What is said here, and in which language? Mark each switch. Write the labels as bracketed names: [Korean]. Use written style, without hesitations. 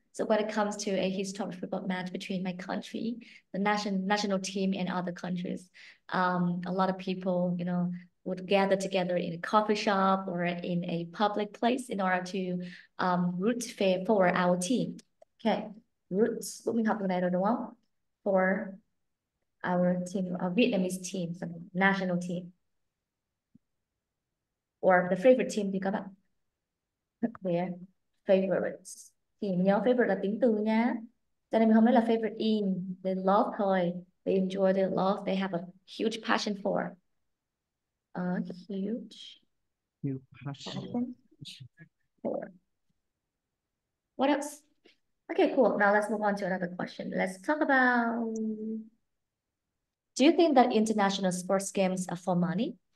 [English] So when it comes to a historic football match between my country, the national team and other countries, a lot of people, you know, would gather together in a coffee shop or in a public place in order to root for our team. Okay, roots, what [Vietnamese] mình học từ này rồi đúng không? [English] For our team, our Vietnamese team, some national team. Or the favorite team [Vietnamese] thì các bạn. [English] Their favorites. [Vietnamese] Thì nhớ favorite là tính từ nha. Cho nên mình không nói là [English] favorite in. They love thôi. They enjoy, they love, they have a huge passion for. A huge new passion for. What else? Okay, cool. Now let's move on to another question. Let's talk about, do you think that international sports games are for money?